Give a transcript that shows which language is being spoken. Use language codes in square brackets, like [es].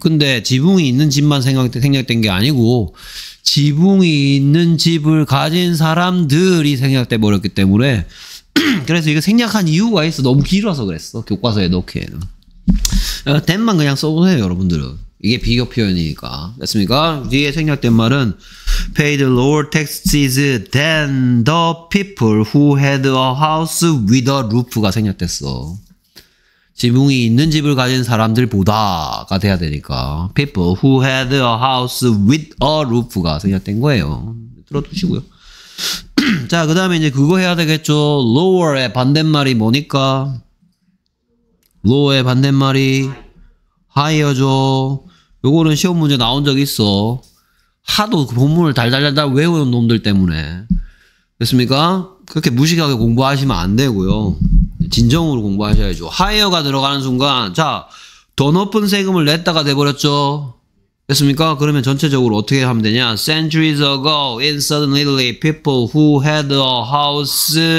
[ko] 근데 지붕이 있는 집만 생략된 게 아니고 지붕이 있는 집을 가진 사람들이 생략돼 버렸기 때문에 그래서 이거 생략한 이유가 있어. 너무 길어서 그랬어. 교과서에 넣기에는. 댄만 그냥 써보세요. 여러분들은. 이게 비교 표현이니까. 됐습니까? 뒤에 생략된 말은 [en] pay the lower taxes than the people who had a house with a roof가 [ko] 생략됐어. 지붕이 있는 집을 가진 사람들보다가 돼야 되니까 [en] people who had a house with a roof [ko] 가 생략된 거예요. 들어두시고요. 자, 그 다음에 이제 그거 해야 되겠죠. lower의 반대말이 뭐니까? lower의 반대말이 higher죠. 요거는 시험 문제 나온 적 있어. 하도 그 본문을 달달달달 외우는 놈들 때문에. 됐습니까? 그렇게 무식하게 공부하시면 안 되고요. 진정으로 공부하셔야죠. 하이어가 들어가는 순간, 자, 더 높은 세금을 냈다가 돼버렸죠. 됐습니까? 그러면 전체적으로 어떻게 하면 되냐. [en] Centuries ago, in southern Italy, people who had a house.